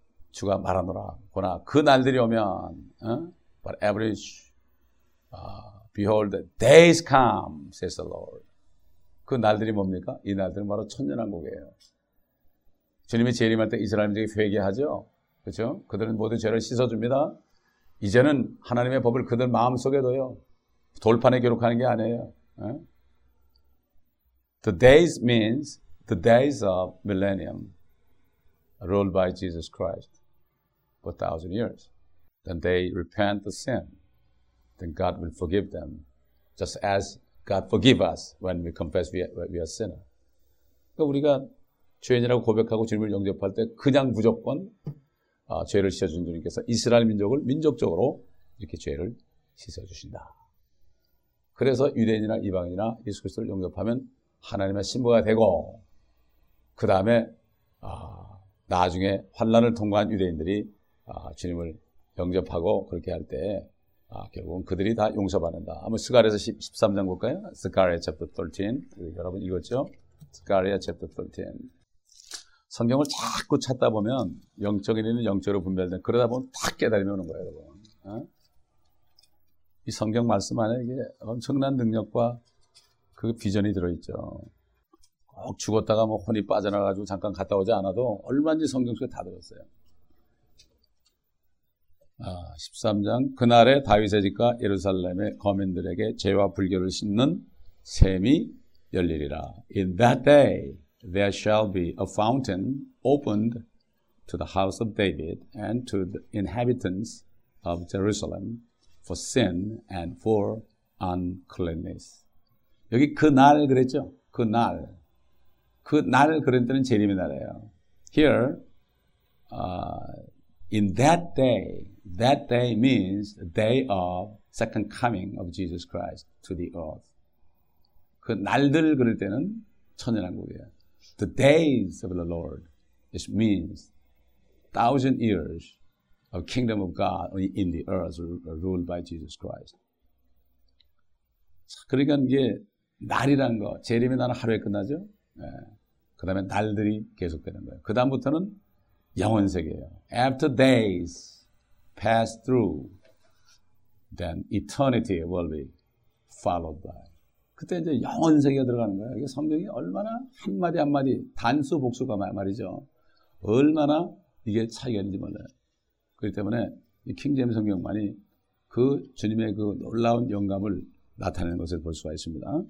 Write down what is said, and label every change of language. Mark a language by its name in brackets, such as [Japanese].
[Korean] 주가 말하노라. 보나, 그 날들이 오면, [English] But every, behold, the days come, says the Lord. [Korean] 그 날들이 뭡니까? 이 날들은 바로 천년왕국이에요. 주님이 재림할 때 이스라엘 민족이 회개하죠? 그렇죠? 그들은 모든 죄를 씻어줍니다. 이제는 하나님의 법을 그들 마음속에 둬요. 돌판에 기록하는 게 아니에요. [English] The days means the days of millennium ruled by Jesus Christ for 1,000 years. Then they repent the sin. Then God will forgive them just as God forgive us when we confess we are sinner. [Korean] 그러니까 우리가 죄인이라고 고백하고 주님을 영접할 때 그냥 무조건 죄를 씻어준 주님께서 이스라엘 민족을 민족적으로 이렇게 죄를 씻어주신다. 그래서 유대인이나 이방인이나 예수 그리스도를 영접하면 하나님의 신부가 되고 그 다음에 나중에 환난을 통과한 유대인들이 주님을 영접하고 그렇게 할 때 결국은 그들이 다 용서받는다. 한번 스가랴서 13장 볼까요? 스가랴 챕터 13. 여러분 읽었죠? 스가랴 챕터 13. 성경을 자꾸 찾다 보면 영적인 일은 영적으로 분별된 그러다 보면 탁 깨달음이 오는 거예요, 여러분. 이 성경 말씀 안에 이게 엄청난 능력과 그 비전이 들어있죠. 꼭 죽었다가 뭐 혼이 빠져나가지고 잠깐 갔다 오지 않아도 얼마든지 성경 속에 다 들었어요. 13장. 그날에 다윗의 집과 예루살렘의 거민들에게 죄와 불결을 씻는 샘이 열리리라. [English] In that day there shall be a fountain opened to the house of David and to the inhabitants of Jerusalem. for sin and for uncleanness. [Korean] 여기 그날 그랬죠? 그날. 그날 그런 때는 재림의 날이에요. [English] Here, in that day means the day of second coming of Jesus Christ to the earth. [Korean] 그 날들 그럴 때는 천년왕국이에요. [English] The days of the Lord, which means thousand years of kingdom of God in the earth ruled by Jesus Christ. [Korean] 그러니까 이게 날이란 거, 재림의 날은 하루에 끝나죠? 네. 그 다음에 날들이 계속되는 거예요. 그 다음부터는 영원세계예요. [English] After days pass through, then eternity will be followed by. [Korean] 그때 이제 영원세계가 들어가는 거예요. 이게 성경이 얼마나 한마디 한마디 단수 복수가 말이죠. 얼마나 이게 차이가 있는지 몰라요. 그렇기 때문에 이 킹제임스 성경만이 그 주님의 그 놀라운 영감을 나타내는 것을 볼 수가 있습니다.